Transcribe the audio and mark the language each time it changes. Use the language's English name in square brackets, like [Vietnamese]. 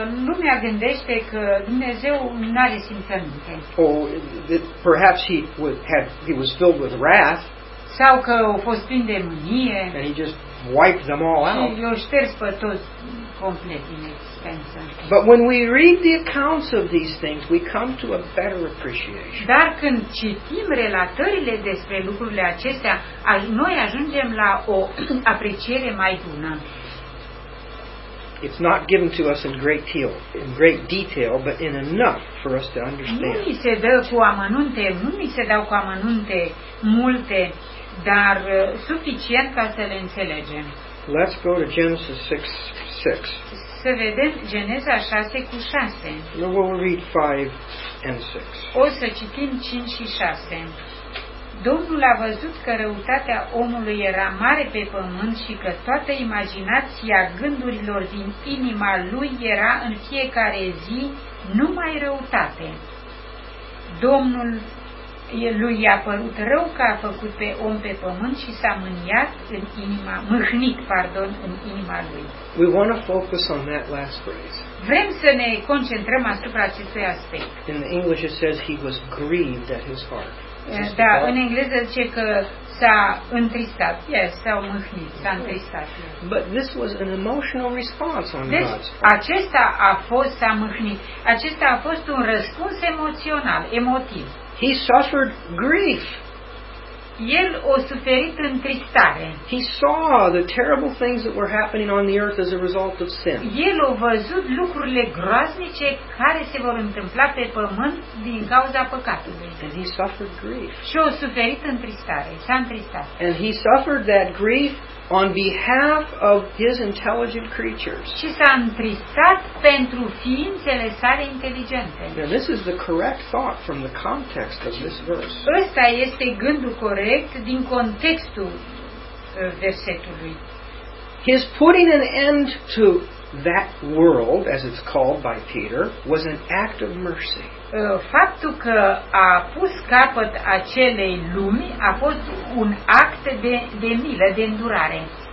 [Romanian] Lumea gândește că Dumnezeu nu are simțăminte. [English] Oh, perhaps he was filled with wrath. [Romanian] Sau că a fost plin de mânie. [English] And he just wiped them all out. [Romanian] Și i-a șters pe toți complet din existență. [English] But when we read the accounts of these things, we come to a better appreciation. [Romanian] Dar când citim relatările despre lucrurile acestea, noi ajungem la o apreciere mai bună. [English] It's not given to us in great detail, but in enough for us to understand. [Romanian] Nu mi se dă cu amănunte, nu mi se dau cu amănunte multe, dar suficient ca să le înțelegem. [English] Let's go to Genesis 6:6. [Romanian] Să vedem Geneza 6:6. [English] We'll read 5 and 6. [Romanian] O să citim 5 și 6. Domnul a văzut că răutatea omului era mare pe pământ și că toată imaginația gândurilor din inima lui era în fiecare zi numai răutate. Domnul lui i-a părut rău că a făcut pe om pe pământ și s-a mâhnit în inima lui. [English] We want to focus on that last phrase. [Romanian] Vrem să ne concentrăm asupra acestui aspect. [English] In the English it says he was grieved at his heart. [Romanian] Da, în engleză zice că s-a întristat. Yes, s-a mâhnit, s-a întristat. [English] But this was an emotional response on [Romanian] deci, [English] God's part. [Romanian] Acesta a fost s-a mâhnit. Acesta a fost un răspuns emoțional, emotiv. [English] He suffered grief. [Romanian] El a suferit întristare. [English] He saw the terrible things that were happening on the earth as a result of sin. [Romanian] El a văzut lucrurile groaznice care se vor întâmpla pe pământ din cauza păcatului. [English] And he suffered grief. [Romanian] Și a suferit întristare, s-a întristat. [English] And he suffered that grief on behalf of his intelligent creatures. [Romanian] Și s-a întristat pentru ființele sale inteligente. [English] Now this is the correct thought from the context of this verse. [Romanian] Ăsta este gândul corect din contextul versetului. [English] His putting an end to that world, as it's called by Peter, was an act of mercy. [Romanian] Faptul că a pus capăt acelei lumi a fost un act de milă, de îndurare.